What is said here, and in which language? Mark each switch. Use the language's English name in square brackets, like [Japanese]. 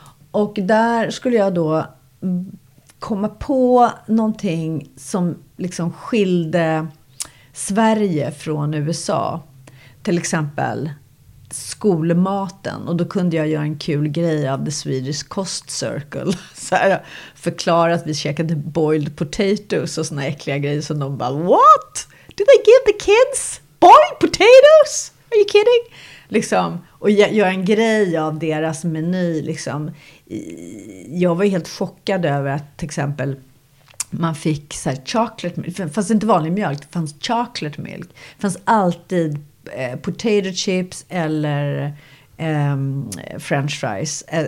[Swedish] Och där skulle jag då komma på någonting som liksom skilde Sverige från USA. Till exempel skolmaten, och då kunde jag göra en kul grej av The Swedish Cost Circle, så här, förklara att vi käkade boiled potatoes och såna äckliga grejer som de bara, [English] what? Do they give the kids boiled potatoes? Are you kidding? [Swedish] Liksom, och göra en grej av deras meny liksom. Jag var helt chockad över att till exempel man fick så här chocolate milk. Det fanns inte vanlig mjölk, det fanns chocolate milk. Det fanns alltid potato chips eller french fries.